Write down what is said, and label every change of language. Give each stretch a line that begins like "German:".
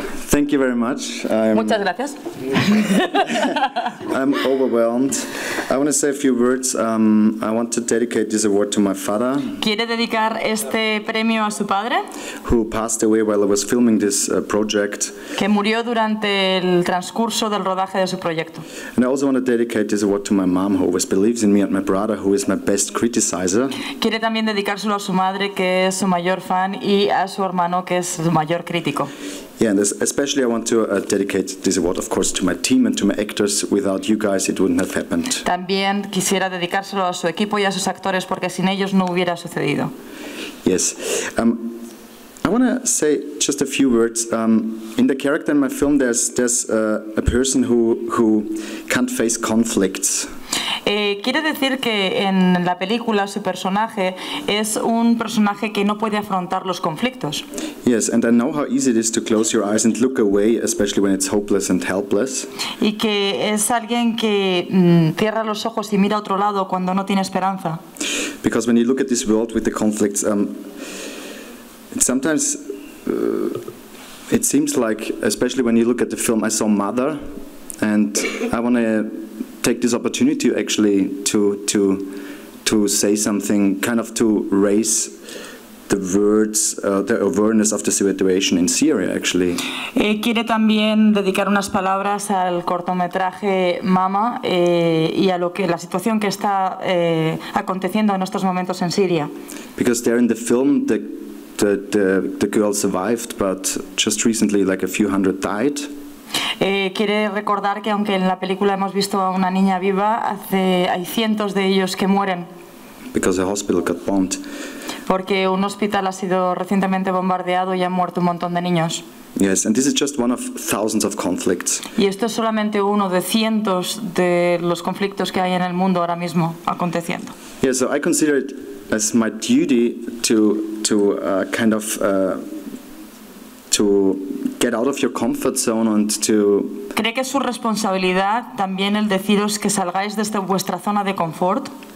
English: Thank you very much.
Spanish: Muchas gracias.
English: I'm overwhelmed. I want to say a few words. I want to dedicate this award to my father.
Spanish: ¿Quiere dedicar este premio a su padre?
English: Who passed away while I was filming this project.
Spanish: Que murió durante el transcurso del rodaje de su proyecto.
English: And I also want to dedicate this award to my mom, who always believes in me, and my brother, who is my best criticizer.
Spanish: Quiere también dedicárselo a su madre, que es su mayor fan, y a su hermano, que es su mayor crítico.
English: Yeah, and especially I want to dedicate this award, of course, to my team and to my actors. Without you guys, it wouldn't have happened.
Spanish: También quisiera dedicárselo a su equipo y a sus actores porque sin ellos no hubiera sucedido.
English: Yes. I want to say just a few words. In the character in my film, there's a person who can't face conflicts.
Spanish: Quiere decir que en la película su personaje es un personaje que no puede afrontar los conflictos.
English: Yes, and I know how easy it is to close your eyes and look away, especially when it's hopeless and helpless.
Spanish: Y que es alguien que cierra los ojos y mira a otro lado cuando no tiene esperanza.
English: Because when you look at this world with the conflicts, sometimes it seems like, especially when you look at the film, I saw Mother, and I want to take this opportunity actually to say something, kind of to raise the words, the awareness of the situation in Syria, actually.
Spanish: Quiere también dedicar unas palabras al cortometraje Mama y a lo que la situación que está aconteciendo en estos momentos en Siria.
English: Because there in the film the girl survived, but just recently like a few hundred died.
Spanish: Quiere recordar que aunque en la película hemos visto a una niña viva, hay cientos de ellos que mueren.
English: Because the hospital got bombed.
Spanish: Porque un hospital ha sido recientemente bombardeado y han muerto un montón de niños.
English: Yes, and this is just one of thousands of conflicts.
Spanish: Y esto es solamente uno de cientos de los conflictos que hay en el mundo ahora mismo aconteciendo.
English: Yes, so I consider it as my duty to get out of your comfort zone and to.
Spanish: ¿Cree que es su responsabilidad también el deciros que salgáis desde vuestra zona de confort?